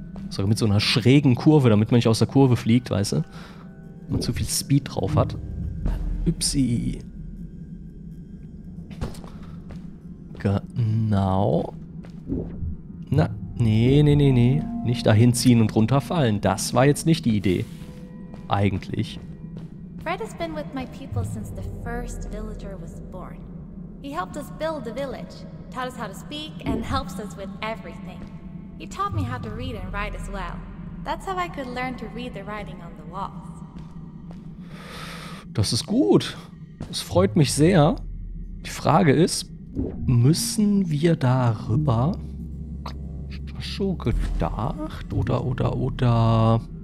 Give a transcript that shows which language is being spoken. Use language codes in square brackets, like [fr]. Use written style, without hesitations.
[de] Sogar mit so einer schrägen Kurve, damit man nicht aus der Kurve fliegt, weißt du? Wenn man zu viel Speed drauf hat. Upsi. Genau. Na, nee, nee, nee, nee. Nicht dahin ziehen und runterfallen. Das war jetzt nicht die Idee. Eigentlich. [en] Fred has been with my people since the first villager was born. He helped us build the village, taught us how to speak, and helps us with everything. He taught me how to read and write as well. That's how I could learn to read the writing on the walls. [de] Das ist gut. Das freut mich sehr. Die Frage ist, müssen wir darüber? Schon gedacht? Oder?